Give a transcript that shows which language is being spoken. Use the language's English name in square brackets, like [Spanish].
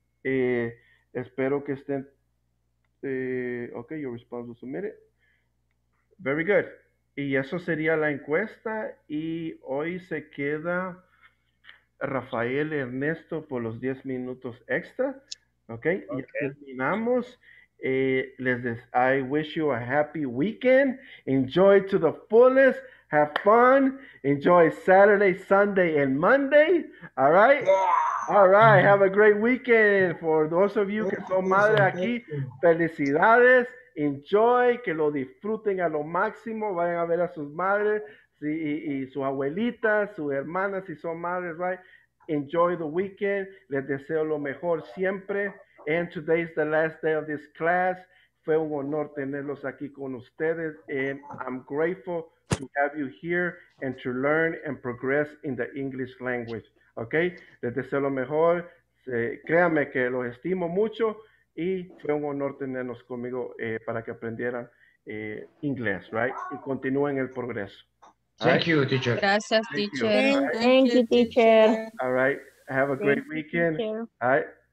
[Spanish] Espero que estén, [English] ok, your response was submitted. Very good. [Spanish] Y eso sería la encuesta y hoy se queda... Rafael Ernesto por los 10 minutos extra. Okay. Y terminamos. [English] I wish you a happy weekend. Enjoy to the fullest. Have fun. Enjoy Saturday, Sunday, and Monday. All right. Yeah. All right. Have a great weekend. For those of you [Spanish] que son madres aquí, felicidades. [English] Enjoy. [Spanish] Que lo disfruten a lo máximo. Vayan a ver a sus madres. Sí, y sus abuelitas, sus hermanas, si son madres, right? [English] Enjoy the weekend. [Spanish] Les deseo lo mejor siempre. [English] And today is the last day of this class. [Spanish] Fue un honor tenerlos aquí con ustedes. [English] And I'm grateful to have you here and to learn and progress in the English language. [Spanish] Okay? Les deseo lo mejor. Créanme que los estimo mucho. Y fue un honor tenerlos conmigo para que aprendieran inglés, right? Y continúen el progreso. [English] Thank you, teacher. All right. Have a great weekend. All right.